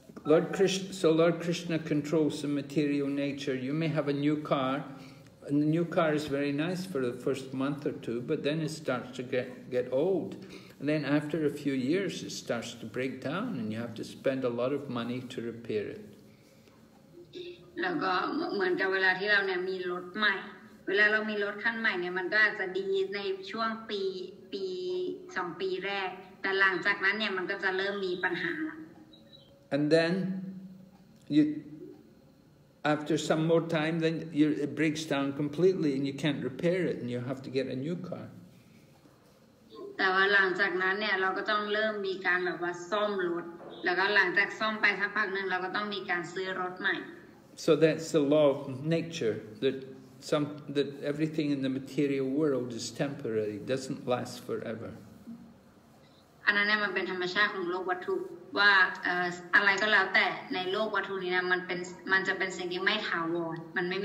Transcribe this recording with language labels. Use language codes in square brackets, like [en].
[en] So Lord Krishna controls the material nature. You may have a new car, and the new car is very nice for the first month or two, but then it starts to get old. And then after a few years, it starts to break down, and you have to spend a lot of money to repair it. [th] แล้วก็เหมือนกับเวลาที่เราเนี่ยมีรถใหม่เวลาเรามีรถคันใหม่เนี่ยมันก็อาจจะดีในช่วงปี2ปีแรกแต่หลังจากนั้นเนี่ยมันก็จะเริ่มมีปัญหา [en] And then you after some more time then it breaks down completely and you can't repair it and you have to get a new car [th] แต่ว่าหลังจากนั้นเนี่ยเราก็ต้องเริ่มมีการแบบว่าซ่อมรถแล้วก็หลังจากซ่อมไปสักพักนึงเราก็ต้องมีการซื้อรถใหม่ [en] So that's the law of nature that everything in the material world is temporary, doesn't last forever. And then it's the nature of the world, that whatever it is, in the world, it will be something that is not permanent.